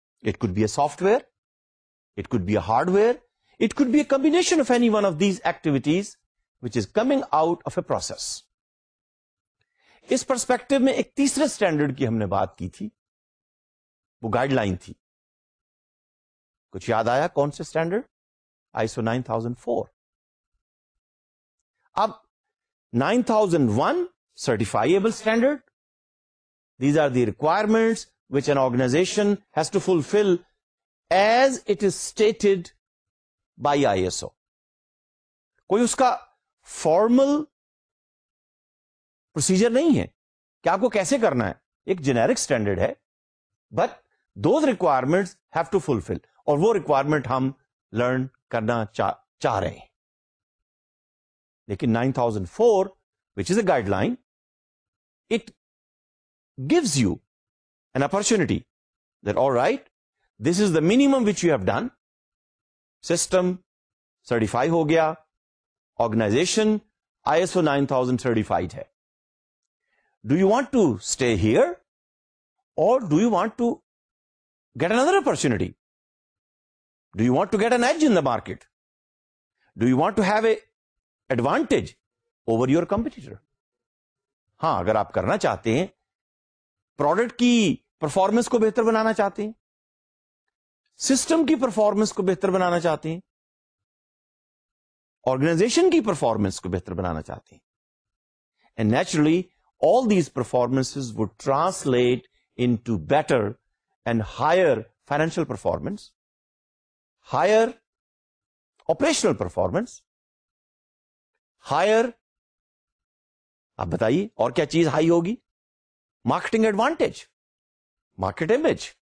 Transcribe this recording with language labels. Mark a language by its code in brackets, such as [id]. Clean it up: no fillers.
[en] It could be a software, it could be a hardware, it could be a combination of any one of these activities which is coming out of a process. [ur] اس perspective میں ایک تیسرے standard کی ہم نے بات کی تھی، وہ گائڈ لائن تھی. کچھ یاد آیا کون سے اسٹینڈرڈ؟ ISO 9004. [en] اب 9001 certifiable standard, these are the requirements which an organization has to fulfill as it is stated by ISO. [ur] کوئی اس کا فارمل پروسیجر نہیں ہے کہ آپ کو کیسے کرنا ہے، ایک جینیرک اسٹینڈرڈ ہے، [en] but those requirement have to fulfil, [ur] اور وہ ریکوائرمنٹ ہم لرن کرنا چاہ رہے ہیں. [en] لیکن 9004 which is a guideline, it gives you an opportunity that all right, this is the minimum which you have done. [ur] System certify ho gaya, organization ISO 9000 certified hai. [en] Do you want to stay here or do you want to get another opportunity? Do you want to get an edge in the market? Do you want to have a advantage over your competitor? [ur] Haan, agar aap karna chahte hain, product ki performance کو بہتر بنانا چاہتے ہیں، system کی performance کو بہتر بنانا چاہتے ہیں، organization کی پرفارمنس کو بہتر بنانا چاہتے ہیں، [en] and naturally all these performances would translate into better and higher financial performance, higher operational performance, [ur] higher, آپ بتائیے اور کیا چیز ہائی ہوگی؟ Marketing advantage, market image,